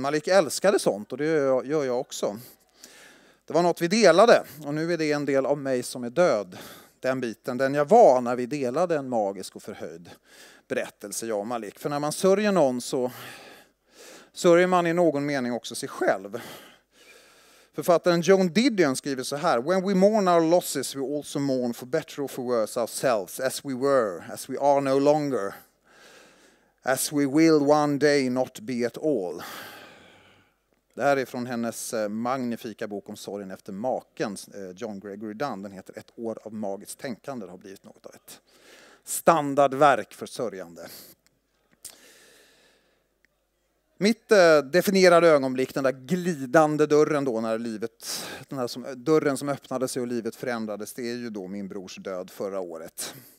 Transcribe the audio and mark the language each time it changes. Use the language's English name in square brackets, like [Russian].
[Swedish] Malik älskade sånt, och det gör jag också. Det var något vi delade, och nu är det en del av mig som är död. Den biten, den jag var när vi delade en magisk och förhöjd berättelse, jag och Malik. För när man sörjer någon så sörjer man i någon mening också sig själv. Författaren [English] Joan Didion [Swedish] skriver så här: [English] "When we mourn our losses, we also mourn for better or for worse ourselves, as we were, as we are no longer, as we will one day not be at all." [Swedish] Det här är från hennes magnifika bok om sorgen efter maken, John Gregory Dunn. Den heter Ett år av magiskt tänkande. Det har blivit något av ett standardverk för sörjande. Mitt definierade ögonblick, den där glidande dörren då, när livet, den här som, dörren som öppnade sig och livet förändrades, det är ju då min brors död förra året.